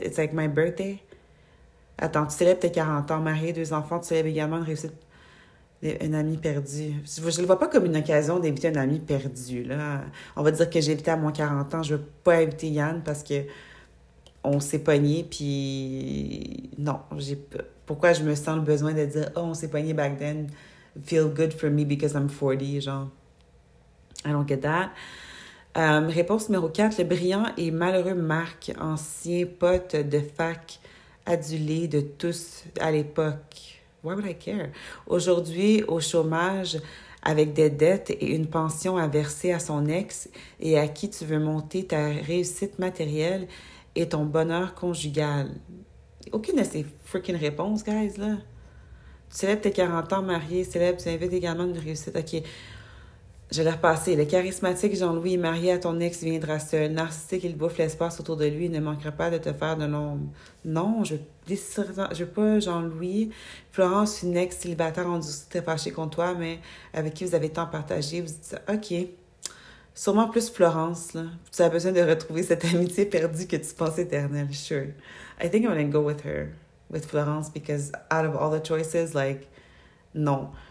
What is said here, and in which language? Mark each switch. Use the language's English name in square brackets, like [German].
[English] It's like my birthday? [French] Attends, tu célèbres tes 40 ans, marié, 2 enfants, tu célèbres également une réussite, une amie perdue. Je le vois pas comme une occasion d'inviter une amie perdue, là. On va dire que j'ai invité à mon 40 ans, je veux pas inviter Yann parce que on s'est pogné, puis non, j'ai pas. Pourquoi je me sens le besoin de dire « Oh, on s'est poigné back then. [English] Feel good for me because I'm 40. » Genre, I don't get that. [French] Réponse numéro 4. Le brillant et malheureux Marc, ancien pote de fac, adulé de tous à l'époque. [English] Why would I care? [French] Aujourd'hui, au chômage, avec des dettes et une pension à verser à son ex et à qui tu veux monter ta réussite matérielle est ton bonheur conjugal? Aucune de ces freaking réponses, guys, là. Tu célèbres tes 40 ans mariés, célèbres, tu invites également une réussite. OK. Je vais le repasser. Le charismatique Jean-Louis, marié à ton ex, viendra seul. Narcissique, il bouffe l'espace autour de lui. Il ne manquera pas de te faire de l'ombre. Non, je veux pas Jean-Louis. Florence, une ex célibataire, on dit que t'es fâchée contre toi, mais avec qui vous avez tant partagé, vous dites ça. OK. Sûrement plus Florence, là. Tu as besoin de retrouver cette amitié perdue que tu penses éternelle. [English] Sure. I think I'm gonna go with her, with Florence, because out of all the choices, like, non.